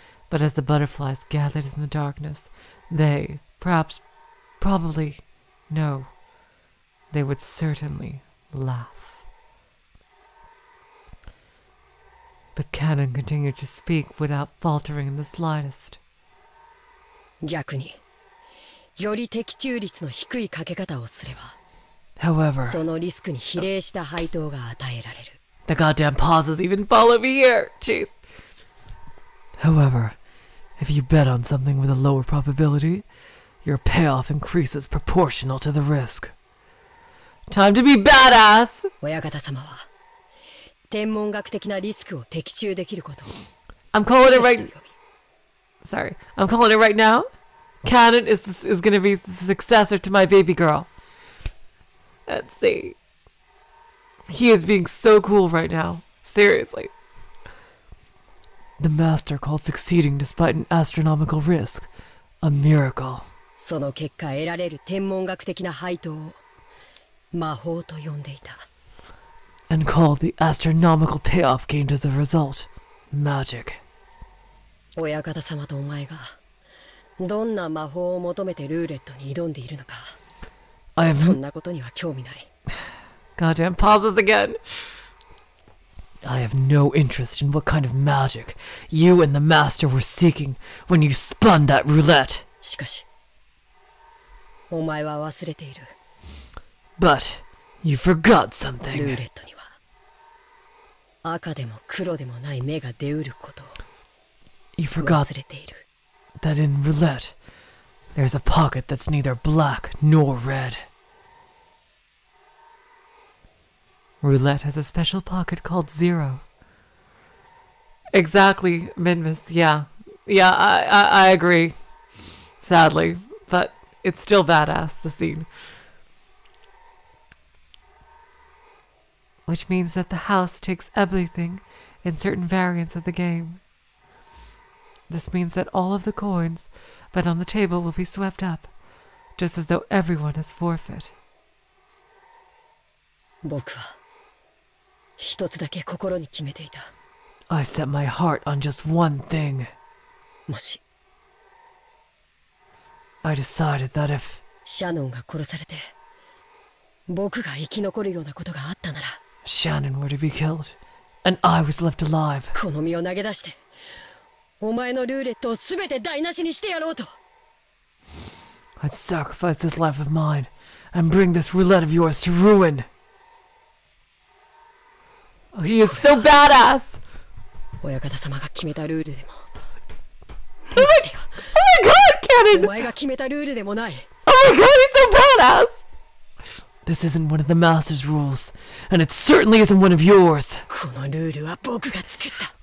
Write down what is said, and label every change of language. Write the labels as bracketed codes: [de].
[en] But as the butterflies gathered in the darkness, they, perhaps, probably, no, they would certainly laugh. But Kanon continued to speak without faltering in the slightest. [ja] 逆に, より的中率の低いかけ方をすれば, [en] However, [ja] そのリスクに比例した配当が与えられる。 [en] The goddamn pauses even follow me here! Jeez! However, if you bet on something with a lower probability, your payoff increases proportional to the risk. Time to be badass! [ja] 親方様は、天文学的なリスクを的中できることを [en] I'm calling it right... Sorry. I'm calling it right now. Kanon is gonna be the successor to my baby girl. Let's see. He is being so cool right now. Seriously. The master called succeeding despite an astronomical risk. A miracle. [ja] その結果得られる天文学的な配当を魔法と呼んでいた。 [en] And called the astronomical payoff gained as a result. Magic. [ja] 親方様とお前がどんな魔法を求めてルーレットに挑んでいるのか。そんなことには興味ない。 Goddamn, pauses again. [en] I have no interest in what kind of magic you and the master were seeking when you spun that roulette. [ja] しかし、お前は忘れている。 [en] But you forgot something. [ja] ルーレットには、赤でも黒でもない目が出うることを忘れている。 [en] That in roulette, there's a pocket that's neither black nor red. Roulette has a special pocket called zero. Exactly, Minmus, yeah. Yeah, I agree. Sadly, but it's still badass, the scene. Which means that the house takes everything in certain variants of the game. This means that all of the coins put on the table will be swept up, just as though everyone has forfeit. [ja] 僕は一つだけ心に決めていた。 [en] I set my heart on just one thing. [ja] もし。 [en] I decided that if... [ja] シャノンが殺されて、僕が生き残るようなことがあったなら。 [en] シャノン were to be killed, and I was left alive. [ja] この身を投げ出して、お前のルーレットをすべて台無しにしてやろうと。 [en] I'd sacrifice this life of mine and bring this roulette of yours to ruin. Oh, he is so badass. [ja] 親方様が決めたルールでも。 [en] Oh my God, Cannon! [ja] お前が決めたルールでもない。 [en] Oh my God, he's so badass. This isn't one of the master's rules, and it certainly isn't one of yours. [ja] このルールは僕が作った。